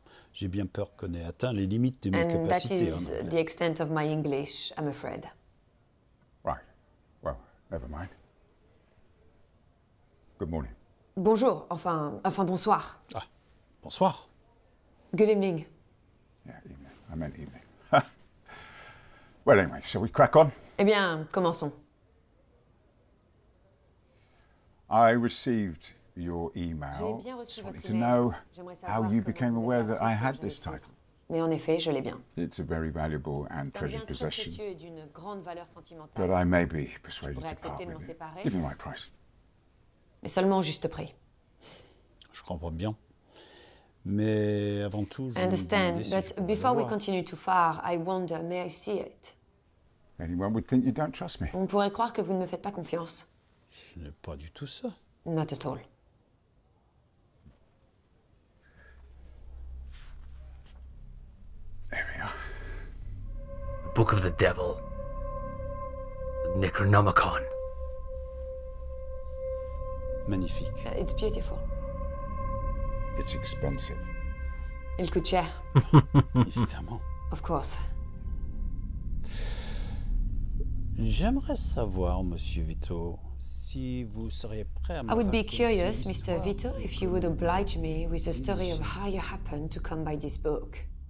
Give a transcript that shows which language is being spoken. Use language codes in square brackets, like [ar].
[fr] J'ai bien peur qu'on ait atteint les limites de mes [en] and [fr] capacités. [en] That is the extent of my English, I'm afraid. Right. Well, never mind. Good morning. [fr] Bonjour. Enfin, bonsoir. Ah, bonsoir. [en] Good evening. Yeah, evening. I meant evening. Well, anyway, shall we crack on? [fr] Eh bien, commençons. [en] I received your email. [fr] J'ai bien reçu [en] wanting [fr] votre [en] to know how you became aware that I had this title. [fr] Mais en effet, je l'ai bien. [en] It's a very valuable and treasured possession. [fr] C'est un bien précieux et d'une grande valeur sentimentale. [en] But I may be persuaded [fr] je pourrais accepter [en] to part [fr] de m'en séparer. [en] Give me my price. [fr] Mais seulement au juste prix. Je comprends bien. Mais avant tout, je [en] understand, but before we continue too far, I wonder, may I see it? Anyone would think you don't trust me. [fr] On pourrait croire que vous ne me faites pas confiance. Ce n'est pas du tout ça. [en] Not at all. There we are. Book of the Devil. Necronomicon. [fr] Magnifique. [en] It's beautiful. It's expensive. [fr] Il coûte cher. Évidemment. [en] Of course. [fr] J'aimerais savoir, Monsieur Vito, si vous seriez prêt à me [en] I would be curious, Mr. Vito, if you would oblige me with the story of how you happened to come by this book.